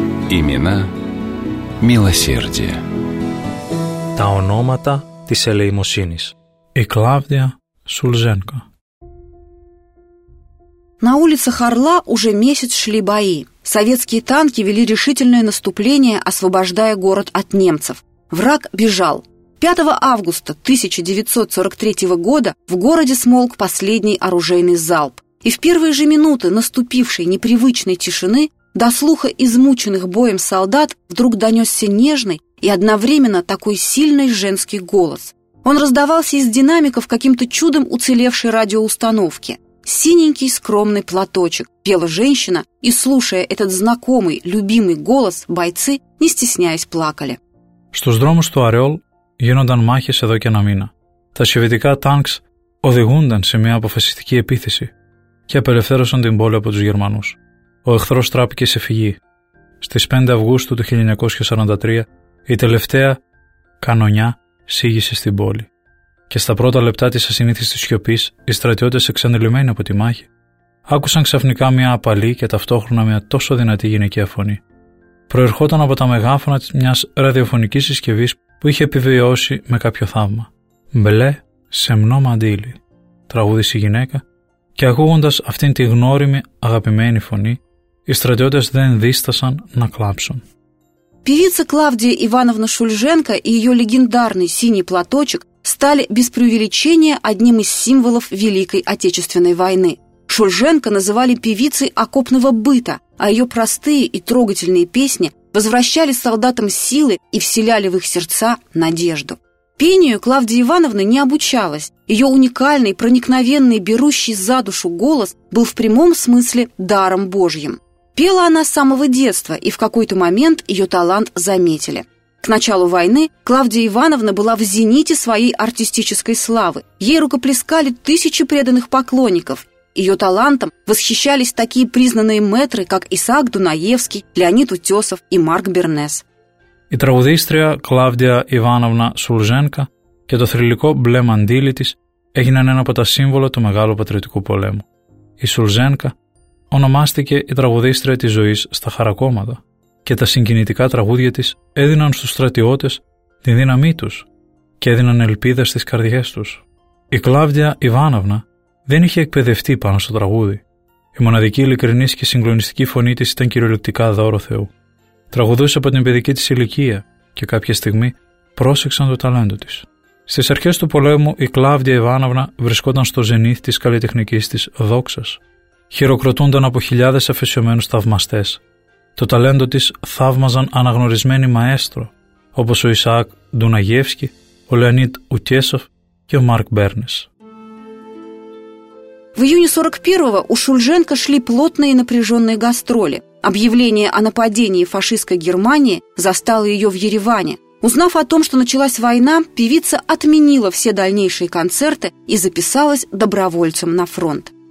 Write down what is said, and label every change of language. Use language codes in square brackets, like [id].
[ru] Имена милосердия. [el] Τα ονόματα της ελεημοσύνης. [ru] Η Клавдия Сульженко. На улицах Орла уже месяц шли бои. Советские танки вели решительное наступление, освобождая город от немцев. Враг бежал. 5 августа 1943 года в городе смолк последний оружейный залп. И в первые же минуты наступившей непривычной тишины до слуха измученных боем солдат вдруг донесся нежный и одновременно такой сильный женский голос. Он раздавался из динамиков каким-то чудом уцелевшей радиоустановки. синенький скромный платочек, пела женщина, и, слушая этот знакомый, любимый голос, бойцы, не стесняясь, плакали. [el] Στους δρόμους του Αρεόλ γίνονταν μάχες εδώ και ένα μήνα. Τα σοβιετικά τάγκς οδηγούνταν σε μια αποφασιστική επίθεση και απελευθέρωσαν την πόλη από τους Γερμανούς. Ο εχθρός τράπηκε σε φυγή. Στις 5 Αυγούστου του 1943 η τελευταία κανονιά σήγησε στην πόλη. Και στα πρώτα λεπτά της ασυνήθιστης σιωπής, οι στρατιώτες, εξαντλημένοι από τη μάχη, άκουσαν ξαφνικά μια απαλή και ταυτόχρονα μια τόσο δυνατή γυναικεία φωνή. Προερχόταν από τα μεγάφωνα μιας ραδιοφωνικής συσκευής που είχε επιβιώσει με κάποιο θαύμα. «Μπλε, σεμνό μαντίλι», τραγούδησε η γυναίκα, και ακούγοντας αυτήν τη γνώριμη, αγαπημένη φωνή, οι στρατιώτες δεν δίστασαν να κλάψουν. [ru] Певица Клавдия Ивановна Шульженко и ее легендарный синий платочек стали без преувеличения одним из символов Великой Отечественной войны. Шульженко называли певицей окопного быта, а ее простые и трогательные песни возвращали солдатам силы и вселяли в их сердца надежду. Пению Клавдия Ивановна не обучалась. Ее уникальный, проникновенный, берущий за душу голос был в прямом смысле даром Божьим. Пела она с самого детства, и в какой-то момент ее талант заметили. К началу войны Клавдия Ивановна была в зените своей артистической славы. Ей рукоплескали тысячи преданных поклонников. Ее талантом восхищались такие признанные мэтры, как Исаак Дунаевский, Леонид Утесов и Марк Бернес. [el] Η τραγουδίστρια Κλάβδια Ιβάνοβνα Σουλζένκα και το θρυλικό μπλε μαντήλι της έγιναν ένα από τα σύμβολα του Μεγάλου Πατριωτικού Πολέμου. Η Σουλζένκα ονομάστηκε η τραγουδίστρια της ζωής στα χαρακόμματα και τα συγκινητικά τραγούδια της έδιναν στους στρατιώτες τη δύναμή τους και έδιναν ελπίδα στις καρδιές τους. Η Κλάβδια Ιβάνοβνα δεν είχε εκπαιδευτεί πάνω στο τραγούδι. Η μοναδική ειλικρινής και συγκλονιστική φωνή της ήταν κυριολεκτικά δώρο Θεού. Τραγουδούσε από την παιδική της ηλικία και κάποια στιγμή πρόσεξαν το ταλέντο της. Στις αρχές του πολέμου η Κλάβδια Ιβάνοβνα βρισκόταν στο ζενίθ της καλλιτεχνικής της δόξας. Χειροκροτούνταν από χιλιάδες αφαισιωμένους θαυμαστές. Το ταλέντο της θαύμαζαν αναγνωρισμένοι μαέστρο, όπως ο Ισαάκ Ντουναγεύσκι, ο Λεωνίδ Ουτιέσοφ και ο Μάρκ Μπέρνες. [ru] В июне 41-го у Шульженко шли плотные напряженные гастроли. Объявление о нападении фашистской Германии застало ее в Ереване. Узнав о том, что началась война, певица отменила все дальнейшие концерты и записалась добровольцем на фронт.